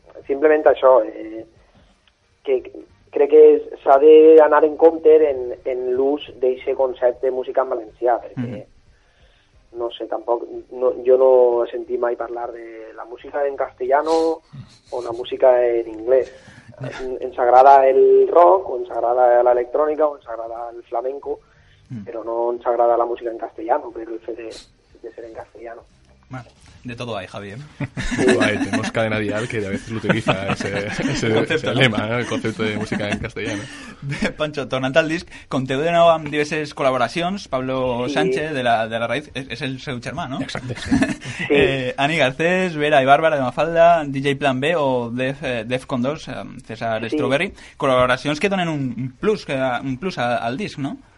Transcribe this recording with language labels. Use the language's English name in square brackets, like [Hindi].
[Catalan] simplemente això, que crec que s'ha de anar en compte en l'ús d'aquest concepte de música en valencià, perquè no sé, tampoc, no, jo no he sentit mai parlar de la música en castellano o la música en anglès. Ens agrada el rock, o ens agrada l'electrònica, o ens agrada el flamenco, però no ens agrada la música en castellano, per el fet de ser en castellano. [Spanish] Bueno, de todo hay, Javier. Hay, tenemos cadena dial que a veces utiliza ese concepto, ese lema, ¿no? El concepto de música en castellano. [Catalan] Pancho, tornant al disc, conté de nou amb diverses col·laboracions. Pablo sí. Sánchez, de la Raíz, és el seu germà, no? Exacte. Sí. Ani Garcés, Vera i Bàrbara de Mafalda, DJ Plan B o Defcon 2, César sí. Strawberry. Col·laboracions que donen un plus al disc, no?